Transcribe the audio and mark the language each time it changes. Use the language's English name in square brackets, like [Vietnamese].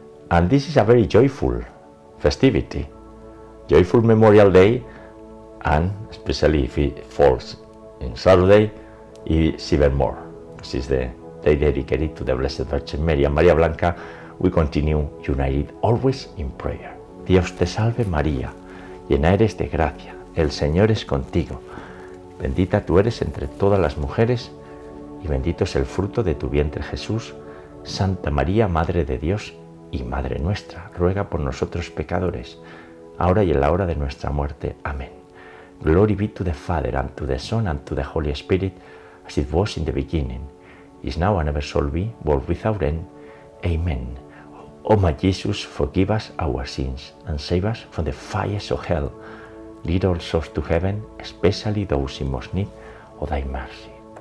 [English] And this is a very joyful festivity, joyful Memorial Day, and especially if it falls in Saturday, it's even more. This is the day dedicated to the Blessed Virgin Mary. And Maria Blanca, we continue united always in prayer. [Spanish] Dios te salve María, llena eres de gracia, el Señor es contigo. Bendita tú eres entre todas las mujeres y bendito es el fruto de tu vientre Jesús. Santa María, Madre de Dios y Madre nuestra, ruega por nosotros pecadores, ahora y en la hora de nuestra muerte. Amén. [English] Glory be to the Father, and to the Son, and to the Holy Spirit, as it was in the beginning, is now and ever shall be, world without end. Amen. O my Jesus, forgive us our sins, and save us from the fires of hell. Lead all souls to heaven, especially those in most need of thy mercy.